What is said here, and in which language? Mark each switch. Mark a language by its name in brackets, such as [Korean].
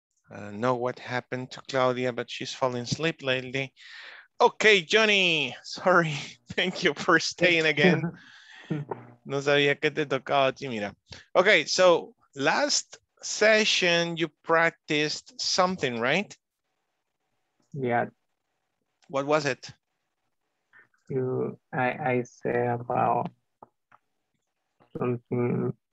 [English] I don't know what happened to Claudia, but she's falling asleep lately. Okay, Johnny, sorry. Thank you for staying again. [Spanish] No sabía que te tocaba a ti, mira. [English] Okay, so last session you practiced something, right? Yeah. What was it? I say about something.